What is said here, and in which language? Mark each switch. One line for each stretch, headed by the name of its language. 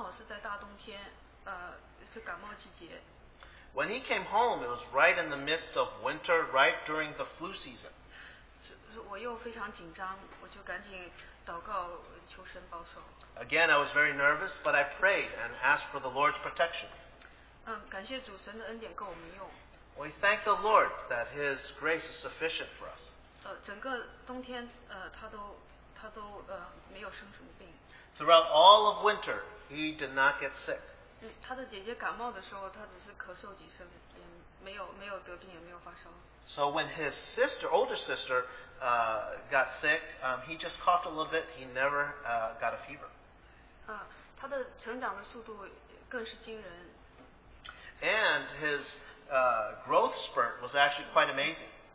Chinese: 他回家的时候刚好是在大冬天，是感冒季节。
English: When he came home, it was right in the midst of winter, right during the flu season.
Chinese: 我又非常紧张，我就赶紧祷告求神保守。
English: Again, I was very nervous, but I prayed and asked for the Lord's protection.
Chinese: 感谢主神的恩典够我们用。
English: We thank the Lord that His grace is sufficient for us.
Chinese: 整个冬天，他都没有生什么病。
English: Throughout all of winter, he did not get sick.
Chinese: 他的姐姐感冒的时候，他只是咳嗽几声，也没有得病，也没有发烧。
English: So when his sister, older sister, got sick, he just coughed a little bit. He never got a fever.
Chinese: 他的成长的速度更是惊人。
English: And his growth spurt was actually quite amazing.